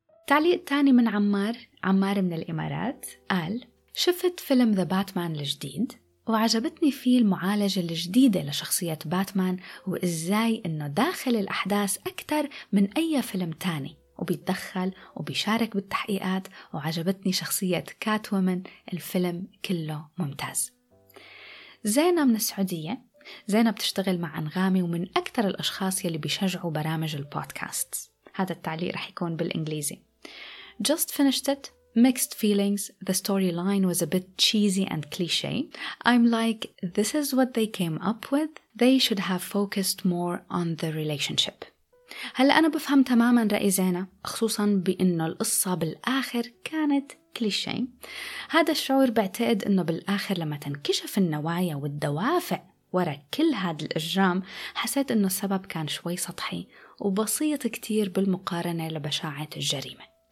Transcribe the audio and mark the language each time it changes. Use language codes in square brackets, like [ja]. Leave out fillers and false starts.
[ar] تعليق تاني من عمار من الإمارات، قال شفت فيلم The Batman الجديد وعجبتني فيه المعالجة الجديدة لشخصية باتمان، وإزاي إنه داخل الأحداث أكتر من أي فيلم تاني، وبيتدخل وبيشارك بالتحقيقات، وعجبتني شخصية كات وومن. الفيلم كله ممتاز. زينة من السعودية، زينة بتشتغل مع أنغامي ومن أكثر الأشخاص يلي بيشجعوا برامج البودكاست. هذا التعليق رح يكون بالإنجليزي. [en] Just finished it. Mixed feelings. The storyline was a bit cheesy and cliche. I'm like, this is what they came up with. They should have focused more on the relationship. [ar] هلا أنا بفهم تماما رأي زينة، خصوصا بأنه القصة بالآخر كانت كليشيه. هذا الشعور بعتقد أنه بالآخر لما تنكشف النوايا والدوافع وراء كل هذا الإجرام، حسيت أنه السبب كان شوي سطحي وبسيط كتير بالمقارنة لبشاعة الجريمة.